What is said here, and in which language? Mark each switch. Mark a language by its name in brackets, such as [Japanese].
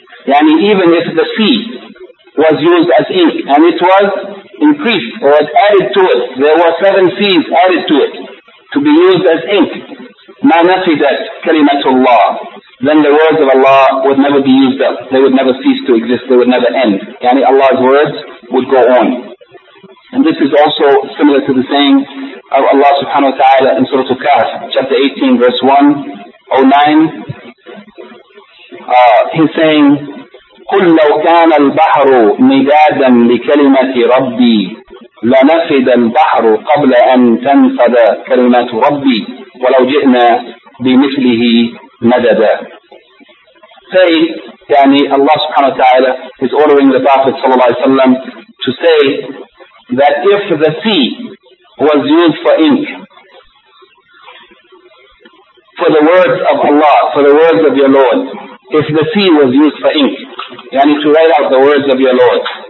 [English] yani even if the sea was used as ink, and it was increased or was added to it, there were seven seas added to it to be used as ink, [Arabic] مَا نَفِدَتْ كَلِمَةُ اللَّهِ, [English] then the words of Allah would never be used up. They would never cease to exist. They would never end. Yani Allah's words would go on. And this is also similar to the saying of Allah subhanahu wa ta'ala in Surah Al-Kahf, chapter 18, verse 109. He's saying, [Arabic] قُلْ لَوْ كَانَ الْبَحْرُ مِدَادًا لِكَلِمَةِ رَبِّي لَنَفِدَ الْبَحْرُ قَبْلَ أَن تَنْفَدَ كَلِمَةُ رَبِّي وَلَوْ جِئْنَا بِمِثْلِهِ مَدَدًا. [English] Say, yani Allah subhanahu wa ta'ala is ordering the Prophet sallallahu alayhi wa sallam to say that if the sea was used for ink, for the words of Allah, for the words of your Lord, if the sea was used for ink, yani to write out the words of your Lord,